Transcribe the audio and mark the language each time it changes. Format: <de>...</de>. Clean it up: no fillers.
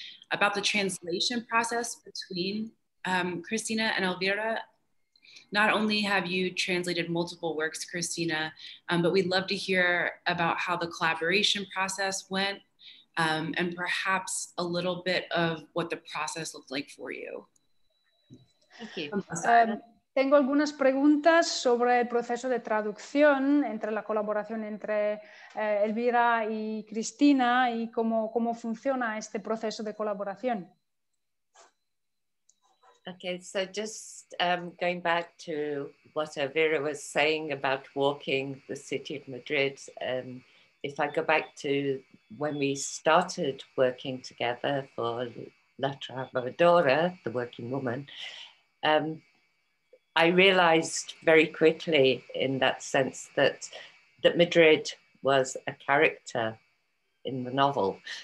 <en>About the translation process between Christina and Elvira. Not only have you translated multiple works, Christina, but we'd love to hear about how the collaboration process went and perhaps a little bit of what the process looked like for you. Thank you.</en> <es>Tengo algunas preguntas sobre el proceso de traducción entre la colaboración entre Elvira y Cristina y cómo funciona este proceso de colaboración.</es> <en>Okay, so just going back to what Elvira was saying about walking the city of Madrid, if I go back to when we started working together for La Trabajadora, the working woman, I realized very quickly in that sense that Madrid was a character in the novel.</en>